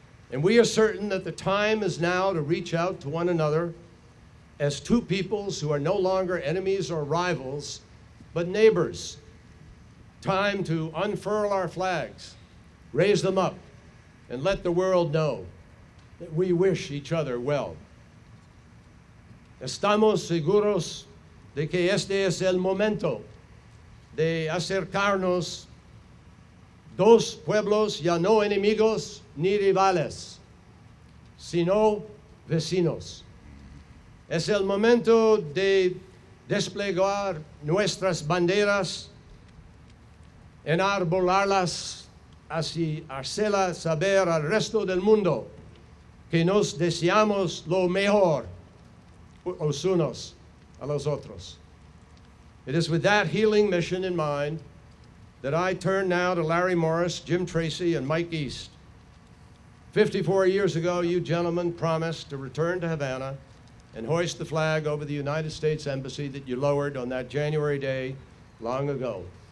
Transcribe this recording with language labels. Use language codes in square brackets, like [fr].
[en] And we are certain that the time is now to reach out to one another as two peoples who are no longer enemies or rivals, but neighbors. Time to unfurl our flags, raise them up, and let the world know that we wish each other well. [es] Estamos seguros de que este es el momento de acercarnos. Dos pueblos ya no enemigos ni rivales, sino vecinos. Es el momento de desplegar nuestras banderas, enarbolarlas, así hacerlas saber al resto del mundo que nos deseamos lo mejor los unos a los otros. [en] It is with that healing mission in mind that I turn now to Larry Morris, Jim Tracy, and Mike East. 54 years ago, you gentlemen promised to return to Havana and hoist the flag over the United States Embassy that you lowered on that January day long ago.